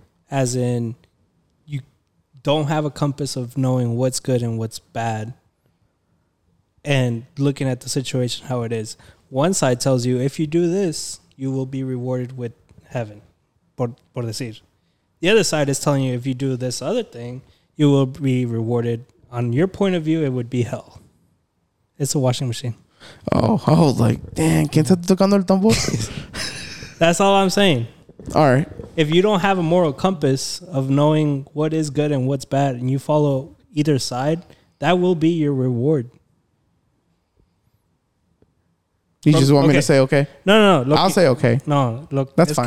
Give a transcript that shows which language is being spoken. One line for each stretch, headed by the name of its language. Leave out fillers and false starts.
English: As in, you don't have a compass of knowing what's good and what's bad, and looking at the situation how it is. One side tells you, if you do this, you will be rewarded with heaven,
Spanish: por decir.
English: The other side is telling you, if you do this other thing, you will be rewarded. On your point of view, it would be hell. It's a washing machine. Oh, I was like, damn,
Spanish: ¿quién está tocando el tambor?
English: That's all I'm saying. All right. If you don't have a moral compass of knowing what is good and what's bad, and you follow either side, that will be your reward. You just want me to say okay? No. Say okay. No, look. That's fine.